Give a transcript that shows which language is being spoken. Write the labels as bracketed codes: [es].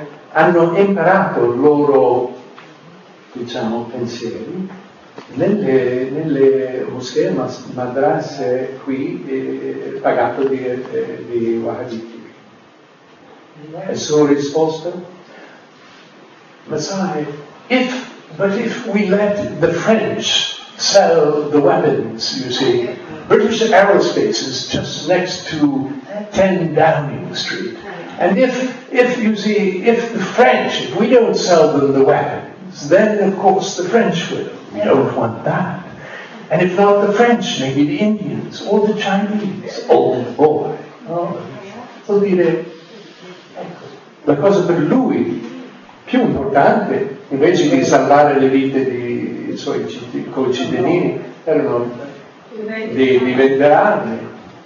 [it] hanno imparato i loro, diciamo, pensieri nelle moschee madrasse qui pagate di wahhabiti. E sono risposto, ma sai, [en] if we let the French sell the weapons, you see, British Aerospace is just next to 10 Downing Street. And if the French, if we don't sell them the weapons, then of course the French will. We don't want that. And if not the French, maybe the Indians or the Chinese. Oh boy. [it] So dire, la cosa per lui più importante, invece di salvare le vite di suoi concittadini, erano di vendere.